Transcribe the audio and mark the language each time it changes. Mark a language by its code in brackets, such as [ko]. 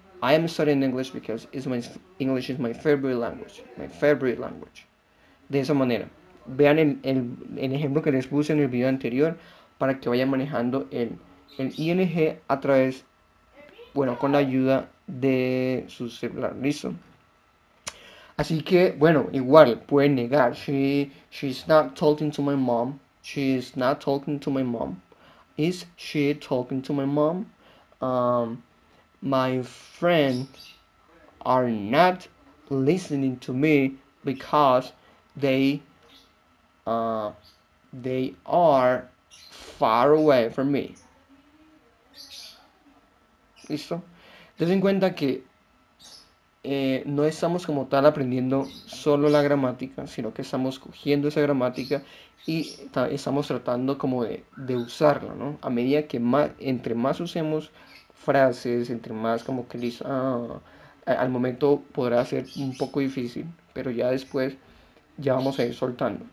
[en] I am studying English because English is my favorite language. My favorite language. [es] De esa manera. Vean el ejemplo que les puse en el video anterior para que vayan manejando el ing a través, bueno, con la ayuda de su celular. ¿Listo? Así que, bueno, igual pueden negar. [en] She's not talking to my mom. She is not talking to my mom. Is she talking to my mom? My friends are not listening to me because they are far away from me. [es] ¿Listo? Ten en cuenta que no estamos como tal aprendiendo solo la gramática, sino que estamos cogiendo esa gramática y estamos tratando como de usarla, ¿no? A medida que más, entre más usemos frases, entre más como que listo, al momento podrá ser un poco difícil, pero ya después ya vamos a ir soltando.